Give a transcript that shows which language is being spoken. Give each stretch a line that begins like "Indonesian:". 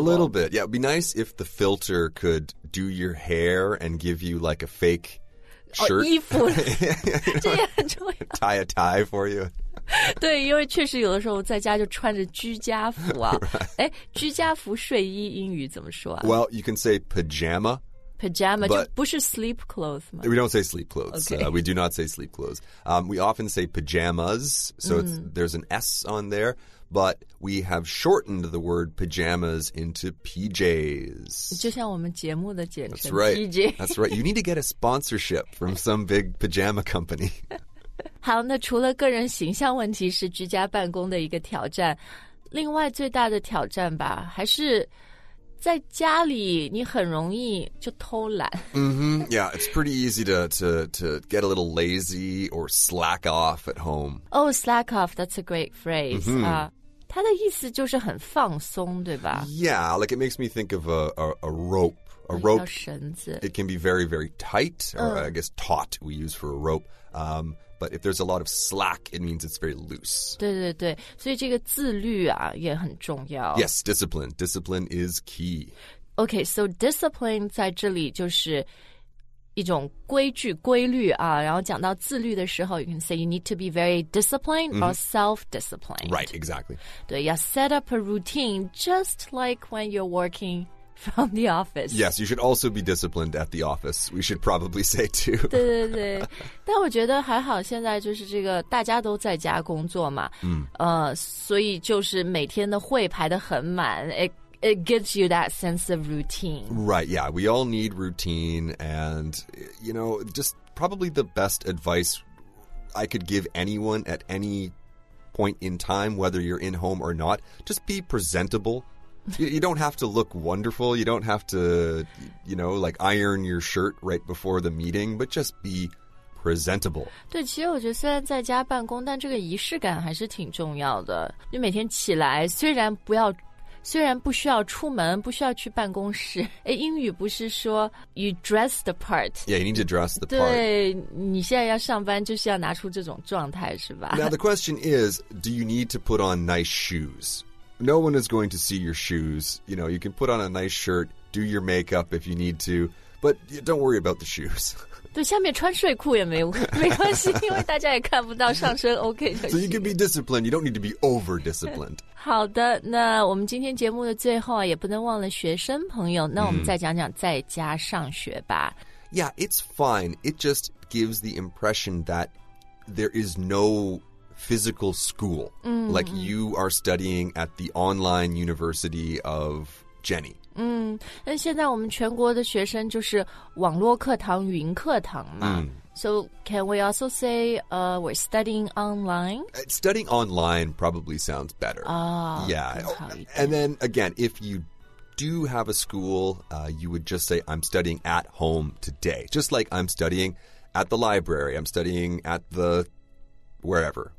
English: A little bit, yeah. It'd be nice if the filter could do your hair and give you like a fake shirt.
Chinese: 衣服这也很重要。
English: Tie a tie for you.
Chinese: 对因为确实有的时候在家就穿着居家服啊、
English: right.
Chinese: 居家服睡衣英语怎么说啊
English: Well, you can say pajama.
Chinese: Pajama, 就不是
English: sleep clothes
Chinese: 吗
English: We don't say sleep clothes.、 Okay. We do not say sleep clothes.、We often say pajamas, so、there's an S on there, but we have shortened the word pajamas into PJs.
Chinese: 就像我们节目的简称
English: That's、right. PJ. That's right. You need to get a sponsorship from some big pajama company.
Chinese: 好，那除了个人形象问题是居家办公的一个挑战，另外最大的挑战吧，还是在家里你很容易就偷懒。
English: Yeah, it's pretty easy to get a little lazy or slack off at home. Oh, slack off, that's a great phrase.
Chinese: 它的意思就是很放松，对吧？
English: Yeah, like it makes me think of a rope.
Chinese: 绳子。
English: It can be very, very tight, or I guess taut we use for a rope. But if there's a lot of slack, it means it's very loose.
Chinese: 对对对，所以这个自律啊也很重要。
English: Yes, discipline. Discipline is key.
Chinese: Okay, so discipline 在这里就是一种规矩、规律啊。然后讲到自律的时候
English: you can say you need to be very disciplined or self-disciplined. Right, exactly.
Chinese: 对，要
English: set up a routine just like when you're working from the office. Yes, you should also be disciplined at the office. We should probably say too.
Chinese: 对对对。但我觉得还好现在就是这个大家都在家工作嘛。所以就是每天的会排得很满。
English: It gives you that sense of routine. Right, yeah. We all need routine. And, you know, just probably the best advice I could give anyone at any point in time, whether you're in home or not, just be presentable. You don't have to look wonderful. You don't have to, you know, like iron your shirt right before the meeting, but just be presentable.
Chinese: 对，其实我觉得虽然在家办公，但这个仪式感还是挺重要的。就每天起来，虽然不需要出门，不需要去办公室。哎，英语不是说
English: you dress the part? Yeah, you need to dress the part.
Chinese: 对，你现在要上班，就是要拿出这种状态，是吧？
English: Now the question is, do you need to put on nice shoes? No one is going to see your shoes. You know, you can put on a nice shirt, do your makeup if you need to, but don't worry about the shoes.
Chinese: 对，下面穿睡裤也没关系，因为大家也看不到上身 OK 就行。
English: So you can be disciplined. You don't need to be over-disciplined.
Chinese: 好的，那我们今天节目的最后啊，也不能忘了学生朋友。那我们再讲讲在家上学吧。
English: Yeah, it's fine. It just gives the impression that there is no physical school. Like you are studying at the online university of Jenny.
Chinese: 那现在我们全国的学生就是网络课堂、云课堂嘛。
English: So can we also say we're studying online? Studying online probably sounds better. Yeah. And then again, if you do have a school, you would just say I'm studying at home today. Just like I'm studying at the library, I'm studying at the wherever.